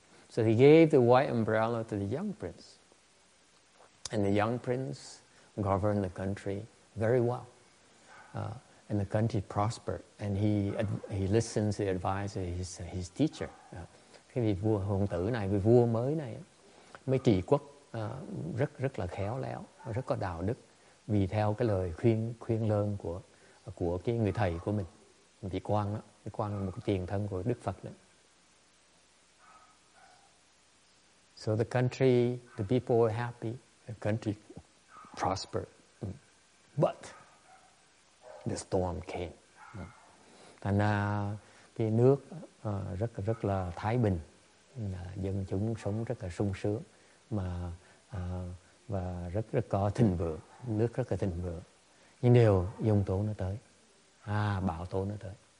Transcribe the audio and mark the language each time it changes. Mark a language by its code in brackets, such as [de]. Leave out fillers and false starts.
[en] So he gave the white umbrella to the young prince. And the young prince governed the country very well. And the country prospered. And he listened to the advice of his teacher. [vi] Cái vua hoàng tử này, vị vua mới này, mới trị quốc rất là khéo léo, rất có đạo đức. Vì theo cái lời khuyên lơn của cái người thầy của mình, vị quan đó, vị quan một cái tiền thân của Đức Phật đó. [en] So the country, the people were happy, the country prospered. But the storm came. [vi] Thành ra cái nước rất là thái bình, dân chúng sống rất là sung sướng, mà và rất là có thịnh vượng, nước rất là thịnh vượng. Nhưng đều dông tố nó tới, bão tố nó tới.